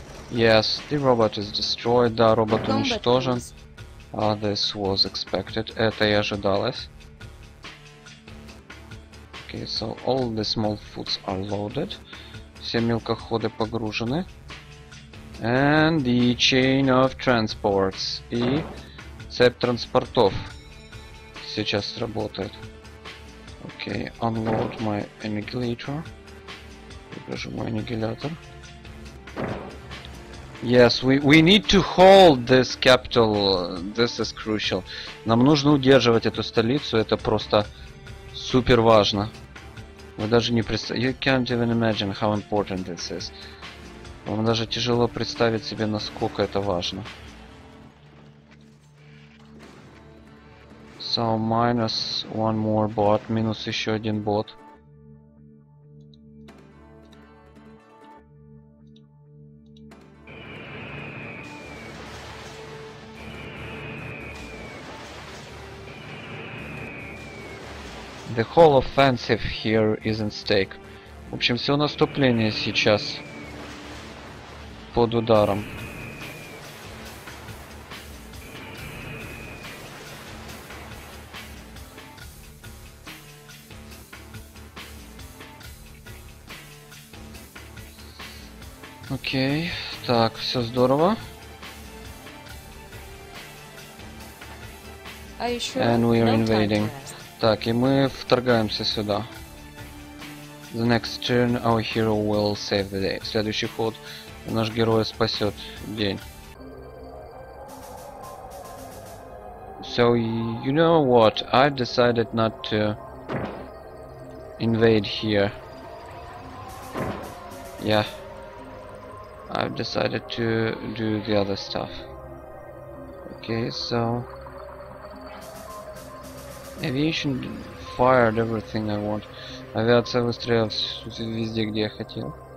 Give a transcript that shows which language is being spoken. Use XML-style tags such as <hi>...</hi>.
<en>Yes, the robot is destroyed.</en> <ru>Да, робот уничтожен.</ru> <en>This was expected.</en> <ru>Это и ожидалось.</ru> <en>Okay, so all the small foods are loaded.</en> <ru>Все мелкоходы погружены.</ru> <en>And the chain of transports.</en> <ru>И цепь транспортов сейчас сработает.</ru> <en>Okay, unload my annihilator.</en> <ru>Покажу мой аннигилятор.</ru> <en>Yes, we need to hold this capital. This is crucial.</en> <ru>Нам нужно удерживать эту столицу. Это просто супер важно. Вы даже не представляете.</ru> <en>You can't even imagine how important this is.</en> <ru>Вам даже тяжело представить себе, насколько это важно.</ru> <en>So, minus one more bot.</en> <ru>Минус еще один бот.</ru> <en>The whole offensive here is in stake.</en> <ru>В общем, все наступление сейчас под ударом. Окей, так, все здорово.</ru> <en>And we are invading.</en> <ru>Так, и мы вторгаемся сюда.</ru> <en>The next turn our hero will save the day.</en> <ru>Следующий ход наш герой спасет день.</ru> <en>So, you know what? I decided not to invade here. Yeah. I've decided to do the other stuff. Okay, so... Aviation fired everything I want.</en> <ru>Авиация выстрелила везде, где я хотел.</ru>